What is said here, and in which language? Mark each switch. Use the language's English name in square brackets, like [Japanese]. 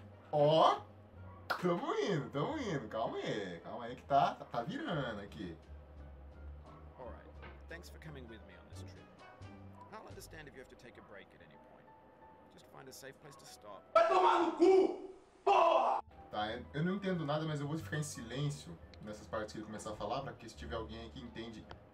[Portuguese] Ó! Tamo indo. Calma aí que tá virando aqui. [English] All right. Thanks for coming with me on this trip. I'll understand if you have to take a break at any point. Just find a safe place to stop. [Portuguese] Vai tomar no cu! Porra! Tá, eu não entendo nada, mas eu vou ficar em silêncio nessas partes que ele começar a falar, pra que se tiver alguém aí que entende.